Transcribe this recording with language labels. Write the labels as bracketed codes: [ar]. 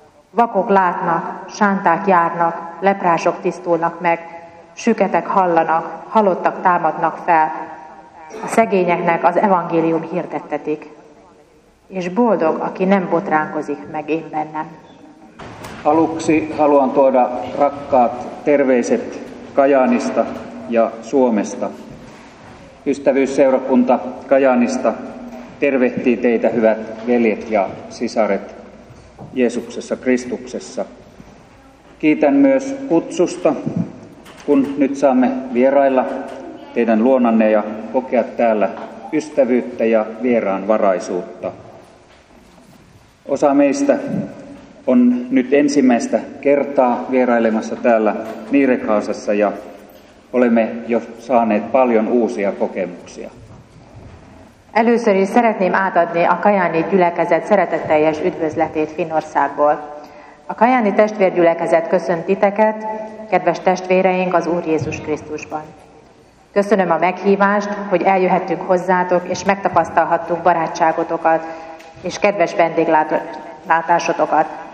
[hu] Vakok látnak, sánták járnak, leprások tisztulnak meg, süketek hallanak, halottak támadnak fel. A szegényeknek az evangélium hirdettetik. És boldog, aki nem botránkozik meg én bennem. [fi] Aluksi haluan tuoda rakkaat terveiset Kajaanista ja Suomesta. Ystävyysseurakunta Kajaanista tervehtii teitä hyvät veljet ja sisaret. Jeesuksessa Kristuksessa. Kiitän myös kutsusta, kun nyt saamme vierailla teidän luonanne ja kokea täällä ystävyyttä ja vieraanvaraisuutta. Osa meistä on nyt ensimmäistä kertaa vierailemassa täällä Niirekaasassa ja olemme jo saaneet paljon uusia kokemuksia. [hu] Először is szeretném átadni a Kajaani gyülekezet szeretetteljes üdvözletét Finnországból. A Kajaani testvérgyülekezet köszönt titeket, kedves testvéreink az Úr Jézus Krisztusban. Köszönöm a meghívást, hogy eljöhettünk hozzátok, és megtapasztalhattuk barátságotokat, és kedves vendéglátásotokat.